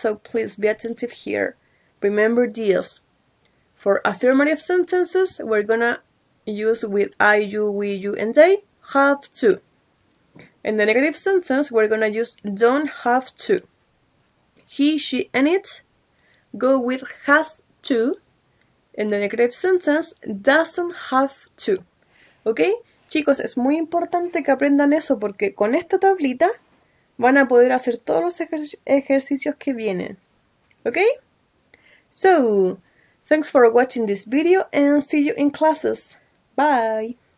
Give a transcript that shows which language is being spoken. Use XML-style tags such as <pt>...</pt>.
<en>So, please be attentive here. Remember this. For affirmative sentences, we're gonna use with I, you, we, you, and they. Have to. In the negative sentence, we're gonna use don't have to. He, she, and it go with has to. In the negative sentence, doesn't have to.</en> <es>Okay? Chicos, es muy importante que aprendan eso porque con esta tablita van a poder hacer todos los ejercicios que vienen.</es> <en>Okay? So, thanks for watching this video and see you in classes. Bye!</en>